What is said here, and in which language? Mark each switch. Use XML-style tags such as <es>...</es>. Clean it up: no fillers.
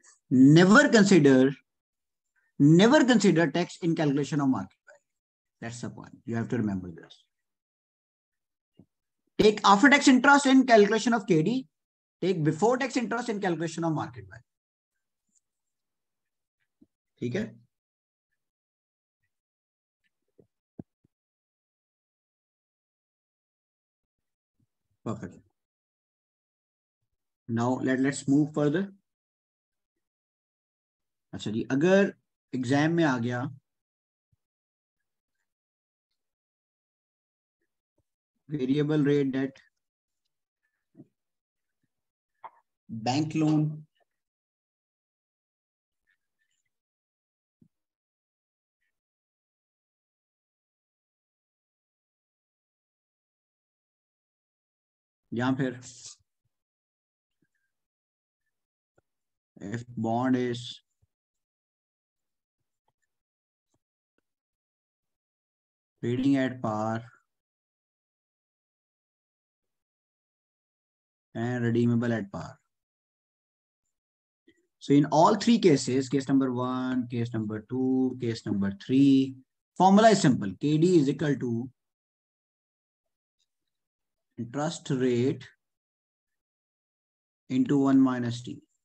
<en>never consider tax in calculation of market value. That's the point, you have to remember this. Take after tax interest in calculation of KD, take before tax interest in calculation of market value.</en> <hi>ठीक है,</hi> <en>perfect. Now let's move further.</en> <hi>अच्छा जी, अगर exam में आ गया variable rate date, bank loan या फिर</hi> <en>If bond is trading at par and redeemable at par. So in all three cases, case number one, case number two, case number three, formula is simple. KD is equal to interest rate into 1 minus T.</en>